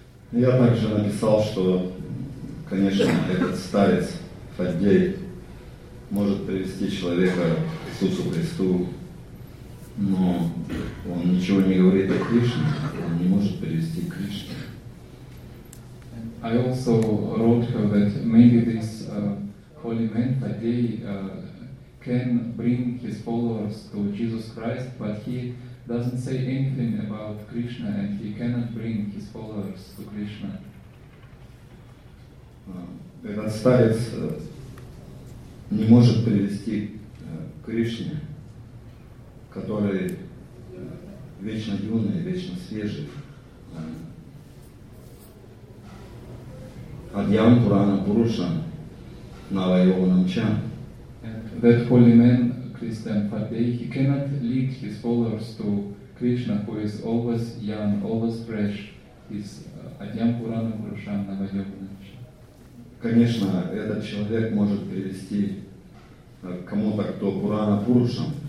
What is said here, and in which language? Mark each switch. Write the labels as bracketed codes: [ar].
[ru] Я также написал, что, конечно, этот старец Фаддей может привести человека к Иисусу Христу, но он ничего не говорит о Кришне, он не может привести к Кришне. [en] I also wrote her that maybe this holy man Fadei can bring his followers to Jesus Christ, but he doesn't say anything about Krishna, and he cannot bring his followers to Krishna. [ru] Этот старец не может привести к Кришне, который вечно юный, вечно свежий. [sa] Адьян Пурана Пуруша Наваеванамча. [en] That holy man, Christian Fadei, he cannot lead his followers to Krishna, who is always young, always fresh. [sa] He's Adyam Purana Purushan Navayoganamcha. [ru] Конечно, этот человек может привести кому-то, кто Пурана Пурушан.